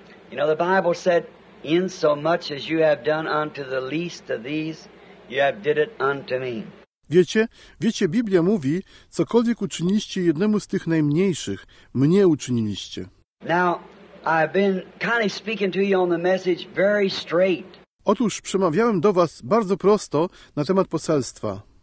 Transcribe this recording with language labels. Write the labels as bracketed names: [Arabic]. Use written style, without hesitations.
[Polish] Biblia mówi, [English] in so much as you have done unto the least of these, you have did it unto me. [Polish] Wiecie, Biblia mówi, cokolwiek uczyniliście jednemu z tych najmniejszych, mnie uczyniliście. [English] Now, I've been kind of speaking to you on the message very straight. [Polish] Otóż przemawiałem do was bardzo prosto na temat poselstwa.